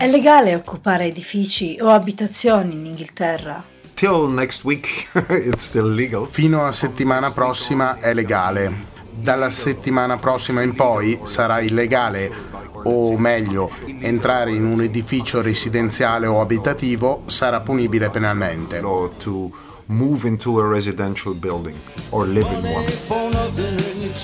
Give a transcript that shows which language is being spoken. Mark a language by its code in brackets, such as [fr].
[it] È legale occupare edifici o abitazioni in Inghilterra? [en] Till next week it's still legal. [it] Fino a settimana prossima è legale. Dalla settimana prossima in poi sarà illegale, o meglio, entrare in un edificio residenziale o abitativo sarà punibile penalmente. [en] To move into a residential building or live in one.